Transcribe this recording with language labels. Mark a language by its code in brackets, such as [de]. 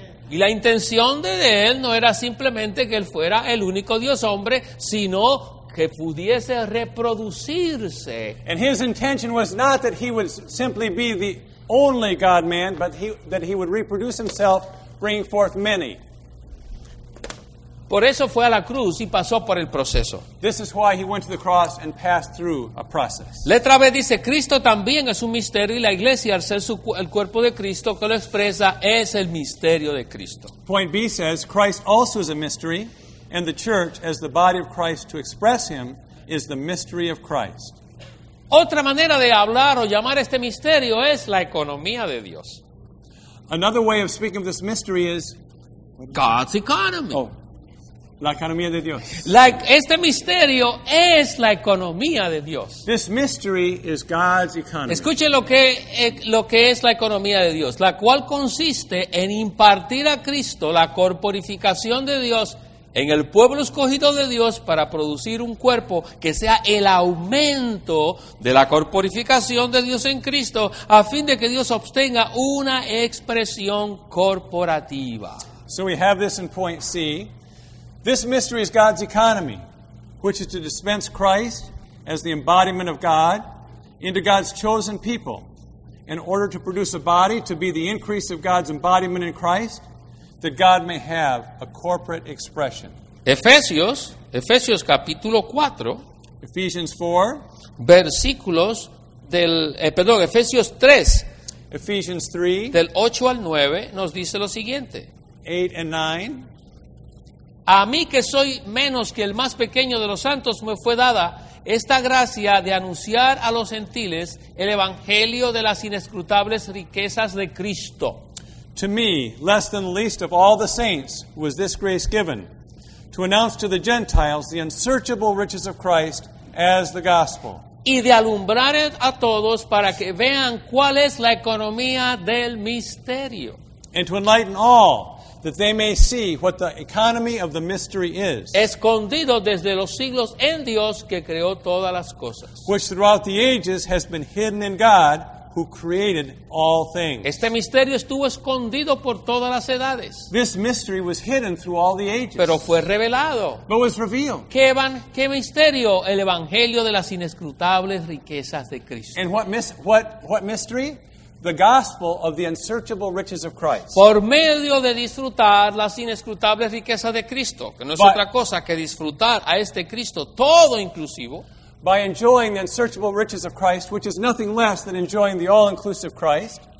[es] Y la intención de él no era simplemente que él fuera el único Dios hombre, sino que pudiese reproducirse. [en] And his intention was not that he would simply be the only God man, but that he would reproduce himself, bring forth many. [es] Por eso fue a la cruz y pasó por el proceso. [en] This is why he went to the cross and passed through a process. [es] Letra B dice, Cristo también es un misterio y la iglesia, al ser el cuerpo de Cristo, que lo expresa, es el misterio de Cristo. [en] Point B says, Christ also is a mystery and the church, as the body of Christ to express him, is the mystery of Christ. [es] Otra manera de hablar o llamar este misterio es la economía de Dios. [en] Another way of speaking of this mystery is God's economy. [es] Oh. La economía de Dios. Este misterio es la economía de Dios. [en] This mystery is God's economy. [es] Escuche lo que es la economía de Dios, la cual consiste en impartir a Cristo la corporificación de Dios en el pueblo escogido de Dios para producir un cuerpo que sea el aumento de la corporificación de Dios en Cristo a fin de que Dios obtenga una expresión corporativa. [en] So we have this in point C. This mystery is God's economy, which is to dispense Christ as the embodiment of God into God's chosen people in order to produce a body to be the increase of God's embodiment in Christ that God may have a corporate expression. [es] Efesios capítulo 4, [en] Ephesians 4, [es] versículos del, perdón, Efesios 3, [en] Ephesians 3, [es] del 8 al 9, nos dice lo siguiente. [en] 8 and 9. [es] A mí que soy menos que el más pequeño de los santos, me fue dada esta gracia de anunciar a los gentiles el evangelio de las inescrutables riquezas de Cristo. [en] To me, less than the least of all the saints, was this grace given, to announce to the Gentiles the unsearchable riches of Christ as the gospel. [es] Y de alumbrar a todos para que vean cuál es la economía del misterio. [en] And to enlighten all, that they may see what the economy of the mystery is. [es] Escondido desde los siglos en Dios que creó todas las cosas. [en] Which throughout the ages has been hidden in God, who created all things. [es] Este misterio estuvo escondido por todas las edades. [en] This mystery was hidden through all the ages. [es] Pero fue revelado. [en] But was revealed. [es] ¿Qué misterio? El evangelio de las inescrutables riquezas de Cristo. [en] And what mystery? The gospel of the unsearchable riches of Christ. [es] Por medio de disfrutar las inescrutables riquezas de Cristo, que no es otra cosa que disfrutar a este Cristo todo inclusivo. [en] By enjoying the unsearchable riches of Christ, which is nothing less than enjoying the all-inclusive Christ.